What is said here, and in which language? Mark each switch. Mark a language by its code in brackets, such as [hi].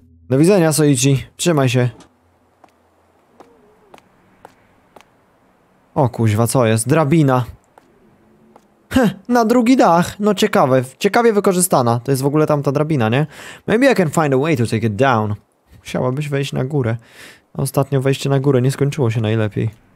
[pl] Do widzenia, Soichi. Trzymaj się. O kuźwa, co jest? Drabina. Heh, na drugi dach. No ciekawe. Ciekawie wykorzystana. To jest w ogóle tam ta drabina, nie? [en] Maybe I can find a way to take it down. [pl] Musiałabyś wejść na górę. Ostatnio wejście na górę nie skończyło się najlepiej.